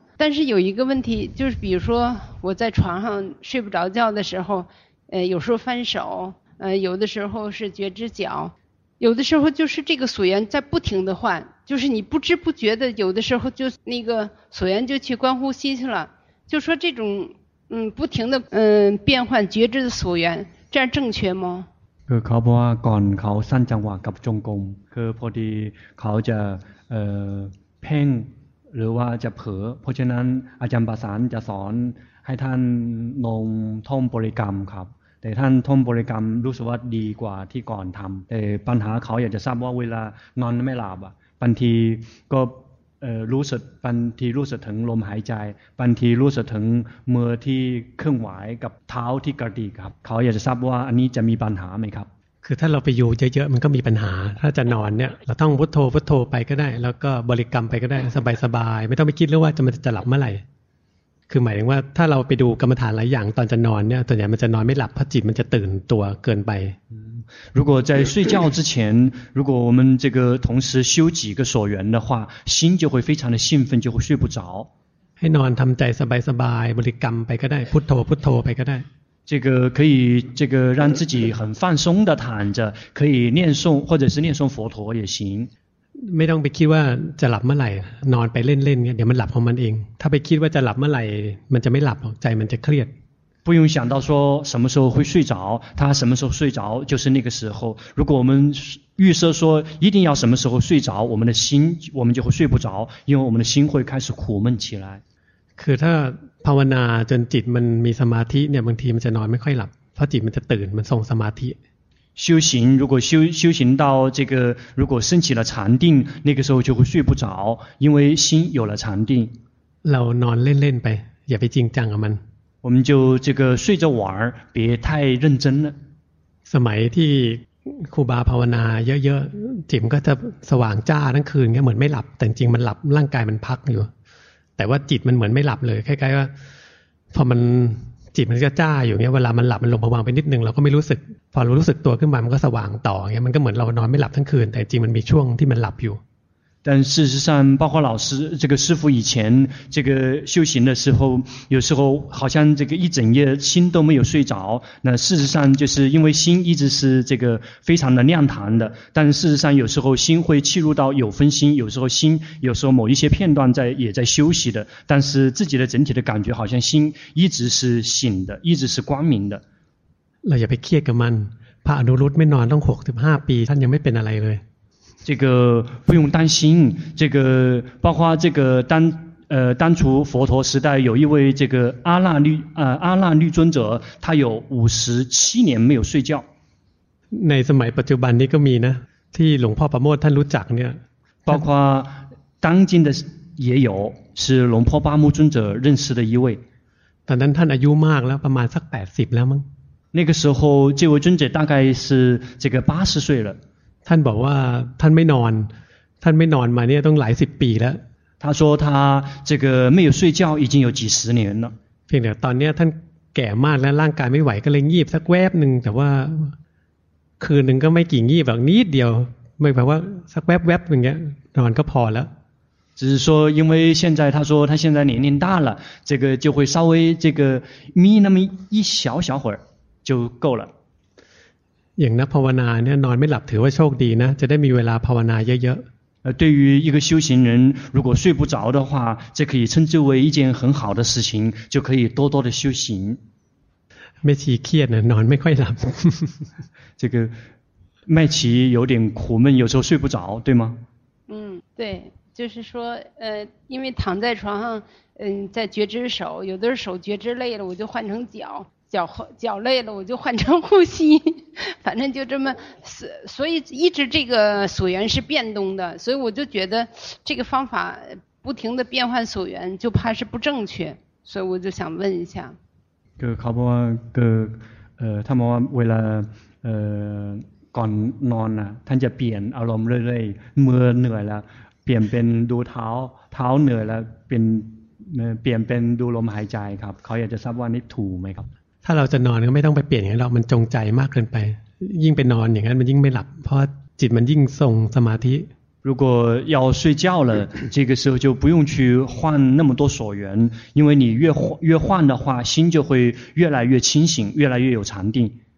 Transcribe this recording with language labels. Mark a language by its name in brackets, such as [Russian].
[Chinese] 但是有一个问题，就是比如说我在床上睡不着觉的时候，有时候翻手，有的时候是觉知脚，有的时候就是这个所缘在不停的换，就是你不知不觉的，有的时候就那个所缘就去观呼吸去了。就说这种不停的变换觉知的所缘，这样正确吗？ [Thai] คือเขาบอกว่าก่อนเขาสร้างจังหวะกับจงกรมคือพอดีเขาจะเพ่งหรือว่าจะเผลอเพราะฉะนั้นอาจารย์ประสานจะสอนให้ท่านลงท่องบริกรรมครับแต่ท่านท่องบริกรรมรู้สึกว่าดีกว่าที่ก่อนทำแต่ปัญหาเขาอยากจะทราบว่าเวลานอนไม่หลับอ่ะบางทีก็ รู้สึกบางทีรู้สึกถึงลมหายใจบางทีรู้สึกถึงมือที่เคลื่อนไหวกับเท้าที่กระดิกครับเขาอยากจะทราบว่าอันนี้จะมีปัญหาไหมครับ คือถ้าเราไปอยู่เยอะๆมันก็มีปัญหาถ้าจะนอนเนี่ยเราต้องพุทโธพุทโธไปก็ได้แล้วก็บริกรรมไปก็ได้สบายๆไม่ต้องไปคิดเรื่องว่าจะหลับเมื่อไหร่คือหมายถึงว่าถ้าเราไปดูกรรมฐานหลายอย่างตอนจะนอนเนี่ยตอนนี้มันจะนอนไม่หลับเพราะจิตมันจะตื่นตัวเกินไป [Chinese] 如果在睡觉之前如果我们这个同时修几个所缘的话心就会非常的兴奋就会睡不着 [Thai] ให้นอนทำใจสบายๆบริกรรมไปก็ได้พุทโธพุทโธไปก็ได้ [Chinese] 这个可以这个让自己很放松的躺着可以念诵或者是念诵佛陀也行 [Thai] ไม่ต้องไปคิดว่าจะหลับเมื่อไหร่นอนไปเล่นๆเนี่ยเดี๋ยวมันหลับของมันเองถ้าไปคิดว่าจะหลับเมื่อไหร่มันจะไม่หลับใจมันจะเครียด [Chinese] 不用想到说什么时候会睡着他什么时候睡着就是那个时候如果我们预设说一定要什么时候睡着我们的心我们就会睡不着因为我们的心会开始苦闷起来 [Thai] คือถ้าภาวนาจนจิตมันมีสมาธิเนี่ยบางทีมันจะนอนไม่ค่อยหลับเพราะจิตมันจะตื่นมันทรงสมาธิ [Chinese] 修行如果修行到这个如果升起了禅定那个时候就会睡不着因为心有了禅定 [Thai] เรานอนเล่นๆไปอย่าไปจริงจังกับมัน [Chinese] 我们就这个睡着玩别太认真了 [Thai] สมัยที่ครูบาภาวนาเยอะๆจิตก็จะสว่างจ้าทั้งคืนก็เหมือนไม่หลับแต่จริงมันหลับร่างกายมันพักอยู่แต่ว่าจิตมันเหมือนไม่หลับเลยคล้ายๆว่าพอมันจิตมันก็จ้าอยู่เงี้ยเวลามันหลับมันลงผวังไปนิดนึงเราก็ไม่รู้สึกพอรู้สึกตัวขึ้นมามันก็สว่างต่อเงี้ยมันก็เหมือนเรานอนไม่หลับทั้งคืนแต่จริงมันมีช่วงที่มันหลับอยู่ [Chinese] 但事实上包括老师这个师父以前这个修行的时候有时候好像这个一整夜心都没有睡着那事实上就是因为心一直是这个非常的亮堂的但事实上有时候心会契入到有分心有时候心有时候某一些片段在也在休息的但是自己的整体的感觉好像心一直是醒的一直是光明的 [Thai] เราอย่าไปเครียดกับมันพระอนุรุทธไม่นอนต้อง65ปีท่านยังไม่เป็นอะไรเลย [Chinese] 这个不用担心，这个包括这个当初佛陀时代有一位这个阿那律尊者，他有57年没有睡觉。 [Thai] ในสมัยปัจจุบันนี้ก็มีนะที่หลวงพ่อประโมทท่านรู้จักเนี่ย [Chinese] 包括当今的也有是龙婆巴木尊者认识的一位。 [Thai] ตอนนั้นท่านอายุมากแล้วประมาณสัก80แล้วมั้ง [Chinese] 那个时候这位尊者大概是这个80岁了。 [Thai] ท่านบอกว่าท่านไม่นอนมาเนี่ยต้องหลายสิบปีแล้ว [Chinese] 他说他这个没有睡觉已经有几十年了。 [Thai] เพียงแต่ตอนนี้ท่านแก่มากและร่างกายไม่ไหวก็เลยงีบสักแวบหนึ่งแต่ว่าคืนหนึ่งก็ไม่กี่งีบแบบนิดเดียวไม่แบบว่าสักแวบๆอย่างเงี้ยนอนก็พอแล้ว [Chinese] 只是说，因为现在他说他现在年龄大了，这个就会稍微这个眯那么一小小会儿就够了。 [Thai] อย่างนักภาวนาเนี่ยนอนไม่หลับถือว่าโชคดีนะจะได้มีเวลาภาวนาเยอะ [Chinese] ๆ对于一个修行人如果睡不着的话这可以称之为一件很好的事情就可以多多的修行 [Thai] 麦琪เครียดนอนไม่ค่อยหลับ [Chinese] 这个麦琪有点苦闷有时候睡不着对吗嗯对就是说因为躺在床上在觉知手有的手觉知累了我就换成脚脚累了我就换成呼吸反正就这么所以一直这个所缘是变动的所以我就觉得这个方法不停地变换所缘就怕是不正确所以我就想问一下 그考보원그他们为了 [Thai] ก่อนนอนท่านจะเปลี่ยนอารมณ์เรื่อยๆเมื่อเหนื่อยแล้วเปลี่ยนเป็นดูเท้าเท้าเหนื่อยแล้วเปลี่ยนเป็นดูลมหายใจครับเขาอยากจะทราบว่านี่ถูกไหมครับ ถ้าเราจะนอนก็ไม่ต้องไปเปลี่ยนอย่างนั้นหรอกมันจงใจมากเกินไปยิ่งไปนอนอย่างนั้นมันยิ่งไม่หลับเพราะจิตมันยิ่งทรงสมาธิ [Chinese] 如果要睡觉了这个时候就不用去换那么多所缘因为你越换的话心就会越来越清醒越来越有禅定